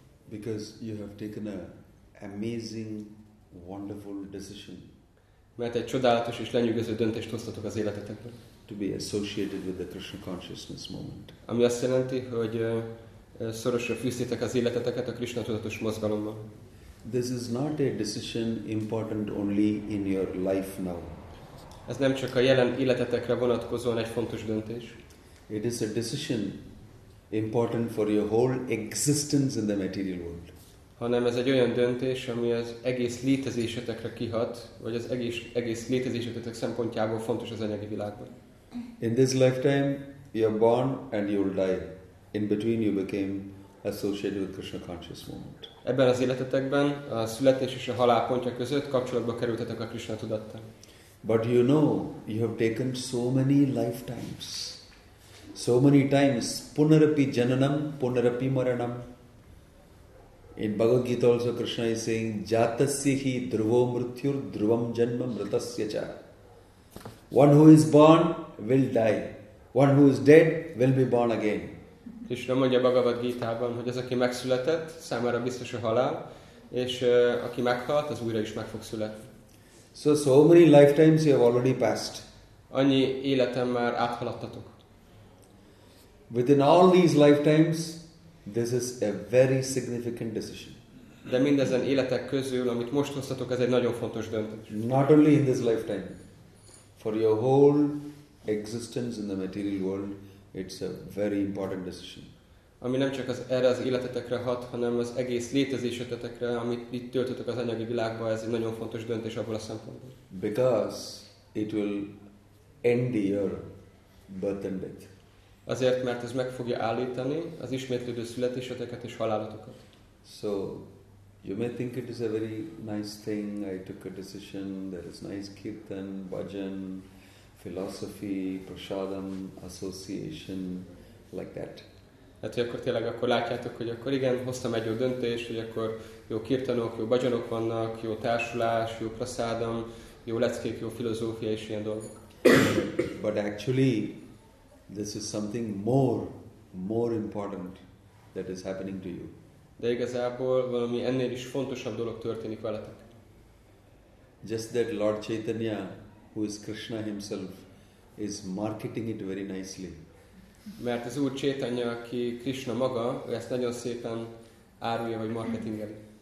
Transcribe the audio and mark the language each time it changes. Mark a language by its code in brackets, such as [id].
[en] Because you have taken an amazing, wonderful decision. [hu] Mert egy csodálatos és lenyűgöző döntést hoztatok az életetekben. [en] To be associated with the Krishna consciousness moment. [hu] Ami azt jelenti, hogy szorosan fűztétek az életeteket a Krishna tudatos mozgalommal. [en] This is not a decision important only in your life now. [hu] Ez nem csak a jelen életetekre vonatkozóan egy fontos döntés. [en] It is a decision important for your whole existence in the material world. [hu] Hanem ez egy olyan döntés, ami az egész létezésetekre kihat, vagy az egész létezésetek szempontjából fontos az anyagi világban. [en] In this lifetime, you are born and you will die. In between, you became associated with Krishna conscious moment. [hu] Ebben az életetekben a születés és a halál pontja között kapcsolatba kerültetek a Krishna tudattal. [en] But you know, you have taken so many lifetimes. So many times, [sa] punarapi jananam, punarapi maranam. [en] In Bhagavad Gita also Krishna is saying, [sa] jatasyahi dhruvo mrityur dhruvam janma mrtasya cha. [en] One who is born will die. One who is dead will be born again. [hu] Krishna mondja Bhagavad Gita-ban, hogy az, aki megszületett, számára biztos a halál, és aki meghalt, az újra is meg fog születni. [en] So many lifetimes you have already passed. [hu] Annyi életen már áthaladtatok. [en] Within all these lifetimes, this is a very significant decision. [hu] De mindezen életek közül, amit most hoztatok, ez egy nagyon fontos döntés. [en] Not only in this lifetime, for your whole existence in the material world, it's a very important decision. [hu] Ami nem csak az életetekre hat, hanem az egész létezésetekre, amit itt töltötök az anyagi világba, ez egy nagyon fontos döntés abból a szempontból. [en] Because it will end your birth and death. [hu] Azért, mert ez meg fogja állítani az ismétlődő születéseteket és halálatokat. [en] So, you may think it is a very nice thing, I took a decision, there is nice kirtan, bhajan, philosophy, prasadam, association, like that. [hu] Hát, hogy akkor tényleg akkor látjátok, hogy akkor igen, hoztam egy jó döntést, hogy akkor jó kirtanok, jó bhajanok vannak, jó társulás, jó prasadam, jó leckék, jó filozófia és ilyen dolgok. [en] But actually, this is something more important that is happening to you. [hu] De igazából valami ennél is fontosabb dolog történik veletek. [en] Just that Lord Chaitanya, who is Krishna himself, is marketing it very nicely. [hu] Mert az Úr Chaitanya, aki Krishna maga, ő ezt nagyon szépen árulja, vagy marketingeli.